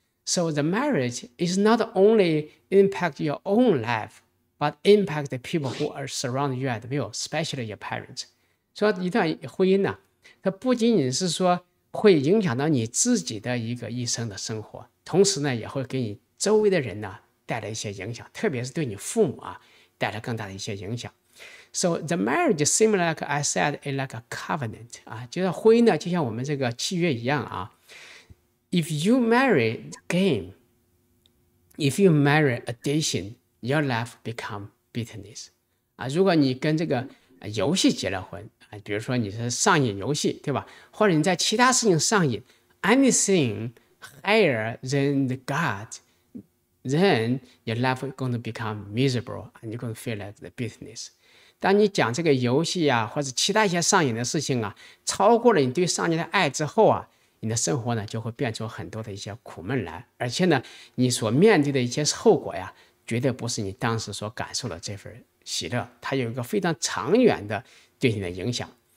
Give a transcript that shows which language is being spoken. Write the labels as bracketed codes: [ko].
[en] So the marriage is not only impact your own life, but impact the people who are surround you as well, especially your parents. [zh] 说一段婚姻呢、啊。它不仅仅是说会影响到你自己的一个一生的生活，同时呢也会给你周围的人呢带来一些影响，特别是对你父母啊带来更大的一些影响。 [en] So the marriage seems like I said it like a covenant、啊、 [zh] 就像婚姻呢就像我们这个契约一样啊。 [en] If you marry game, if you marry addiction, your life become bitterness、啊、 [zh] 如果你跟这个游戏结了婚，比如说你是上瘾游戏对吧，或者你在其他事情上瘾， [en] anything higher than God, then your life is going to become miserable and you're going to feel like the bitterness. [zh] 当你讲这个游戏啊或者其他一些上瘾的事情啊超过了你对上帝的爱之后啊，你的生活呢就会变出很多的一些苦闷来，而且呢你所面对的一些后果呀绝对不是你当时所感受的这份喜乐，它有一个非常长远的对你的影响。